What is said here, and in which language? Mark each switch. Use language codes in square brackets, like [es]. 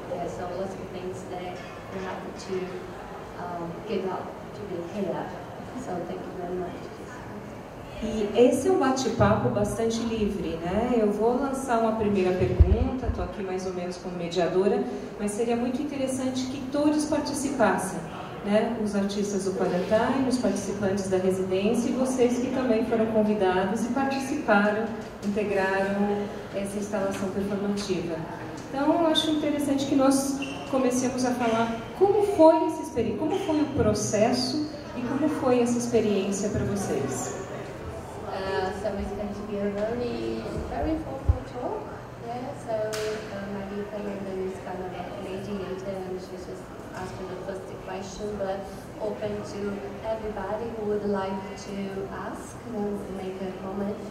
[en] There's a lot of things that you have to give up to be here. So thank you very much. [pt] E esse é um bate-papo bastante livre, né? Eu vou lançar uma primeira pergunta, estou aqui mais ou menos como mediadora, mas seria muito interessante que todos participassem, né? Os artistas do Quadratime, os participantes da residência e vocês que também foram convidados e participaram, integraram essa instalação performativa. Então, eu acho interessante que nós comecemos a falar como foi essa experiência, como foi o processo e como foi essa experiência para vocês. [en] So it's going to be a very, very formal talk. Yeah. So Maggie Fernandez is kind of a mediator, and she's just asking the first question, but open to everybody who would like to ask and make a comment.